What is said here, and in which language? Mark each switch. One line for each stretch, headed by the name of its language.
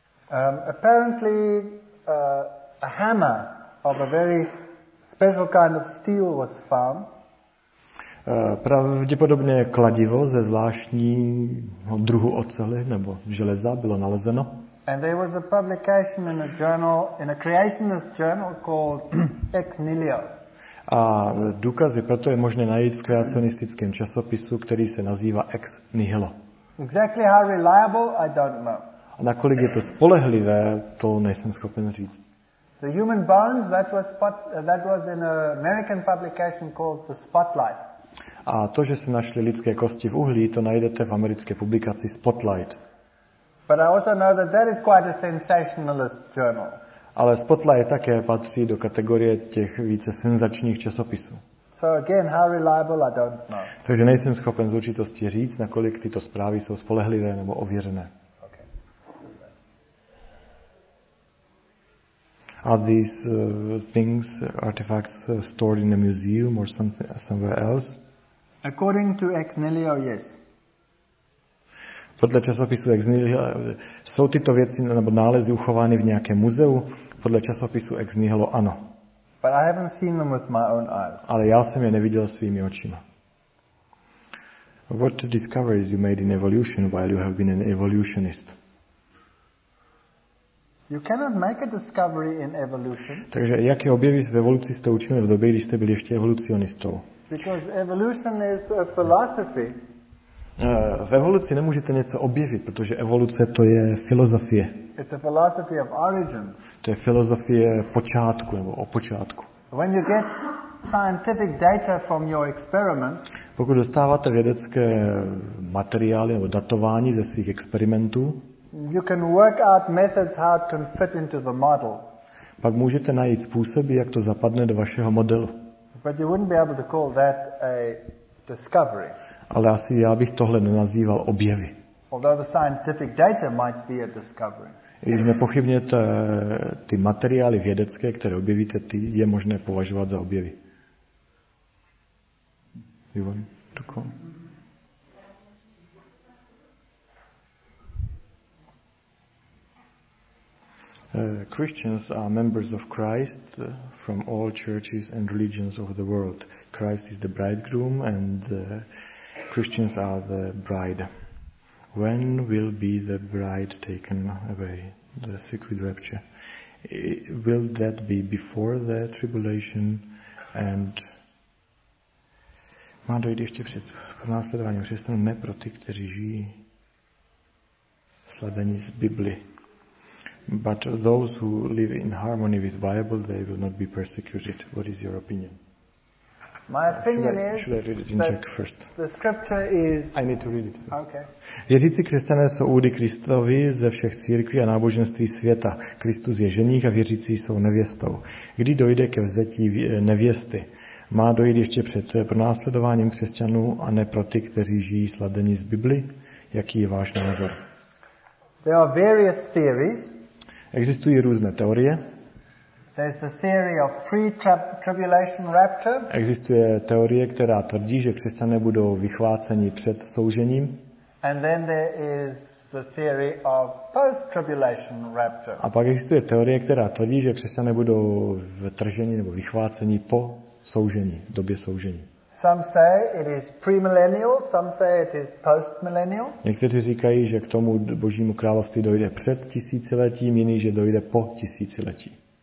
English: Apparently a hammer of a very special kind of steel was found.
Czech: Pravděpodobně kladivo ze zvláštního druhu oceli nebo železa bylo nalezeno.
English: And there was a publication in a journal, in a creationist journal called Ex Nihilo.
Czech: A důkazy pro to je možné najít v kreacionistickém časopisu, který se nazývá Ex Nihilo.
English: Exactly how reliable, I don't know.
Czech: A nakolik je to spolehlivé, to nejsem schopen říct.
English: The human bones, that was in an American publication called The Spotlight.
Czech: A to, že se našly lidské kosti v uhlí, to najdete v americké publikaci Spotlight.
English: But I also know that that is quite a sensationalist journal.
Czech: Ale Spotlight také patří do kategorie těch více senzačních časopisů.
English: So again, how reliable, I don't know.
Czech: Takže nejsem schopen z určitosti říct, nakolik tyto zprávy jsou spolehlivé nebo ověřené.
English: Okay. Are these things, artifacts stored in a museum or somewhere else? According to Ex Nihilo, yes.
Czech: Podle časopisu Ex Nihilo jsou tyto věci nebo nálezy uchovány v nějakém muzeu? Podle časopisu Ex Nihilo ano.
English: But I haven't seen them with my own eyes.
Czech: Ale já jsem je neviděl svými očima.
English: What discoveries you made in evolution while you have been an evolutionist? You cannot make a discovery in evolution.
Czech: Takže jaké objevy v evoluci jste učinil v době, když jste byl ještě evolucionistou?
English: Because evolution is a philosophy.
Czech: V evoluci nemůžete něco objevit, protože evoluce to je filozofie.
English: It's a philosophy of origin.
Czech: To je filozofie počátku nebo o počátku.
English: When you get scientific data from your experiments,
Czech: pokud dostáváte vědecké materiály nebo datování ze svých experimentů,
English: you can work out methods how it can fit into the model.
Czech: Pak můžete najít způsoby, jak to zapadne do vašeho modelu.
English: But you wouldn't be able to call that a discovery.
Czech: Ale asi já bych tohle nenazýval objevy.
English: Although the scientific data might be a discovery.
Czech: Když nepochybně ty materiály vědecké, které objevíte, ty je možné považovat za objevy.
English: You want to call? Christians are members of Christ from all churches and religions of the world. Christ is the bridegroom and Christians are the bride. When will be the bride taken away, the secret rapture? Will that be before the tribulation and...
Czech: Má dojít ještě před pronásledováním křesťanů, ne pro ty, kteří žijí sladění z Biblii.
English: But those who live in harmony with Bible, they will not be persecuted. What is your opinion? My opinion is that the scripture is... I need to read it. Okay.
Czech: Věřící křesťané jsou údy Kristovi ze všech církví a náboženství světa. Kristus je ženích a věřící jsou nevěstou. Kdy dojde ke vzetí nevěsty? Má dojít ještě před pronásledováním křesťanů a ne pro ty, kteří žijí sladení z Bibli? Jaký je váš názor?
English: There are various theories.
Czech: Existují různé teorie.
English: There's the theory of pre-tribulation rapture.
Czech: Existuje teorie, která tvrdí, že křesťané budou vychváceni před soužením.
English: And then there is the theory of post-tribulation rapture.
Czech: A pak existuje teorie, která tvrdí, že křesťané budou vtrženi nebo vychváceni po soužení, době soužení.
English: Some say it is premillennial, some say it is postmillennial.
Czech: Někteří říkají, že k tomu Božímu království dojde před tisíciletím, jiní, že dojde po tisíciletí.